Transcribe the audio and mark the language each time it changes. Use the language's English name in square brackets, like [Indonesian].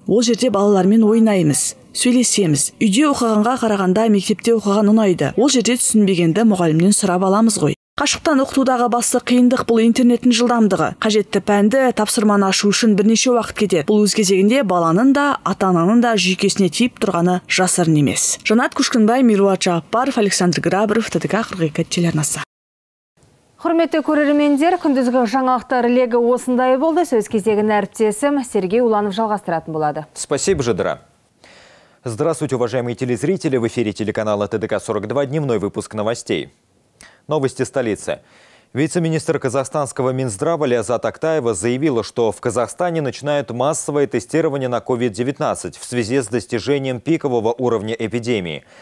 [Kazakh] Ол жерде балалармен ойнаймыз, сөйлесеміз. Үйде оқығанға қарағанда мектепте оқыған ұнайды. Ол жерде түсінбегенді мұғалімнен сұрап аламыз ғой. Қашықтан оқытудағы басты қиындық бұл интернеттің жылдамдығы. Қажетті пәнді тапсырманы ашу үшін бірнеше уақыт кетеді. Бұл өз кезегінде баланың да, ата-ананың да жүйкесіне тиіп тұрғаны жасырын емес. Жанат Күшкінбай, Мируат Жаппаров, Александр Грабров, ТДК 42 телеарнасы. Құрметті көрермендер, күндізгі жаңалықтар легі осындай болды. Сөз кезегін әріптесім Сергей Уланов жалғастыратын болады. [Russian] Спасибо, Жадыра. Здравствуйте, уважаемые телезрители. В эфире телеканала ТДК 42. Дневной выпуск новостей. Новости столицы. Вице-министр казахстанского Минздрава Лиазат Актаева заявила, что в Казахстане начинают массовое тестирование на COVID-19 в связи с достижением пикового уровня эпидемии.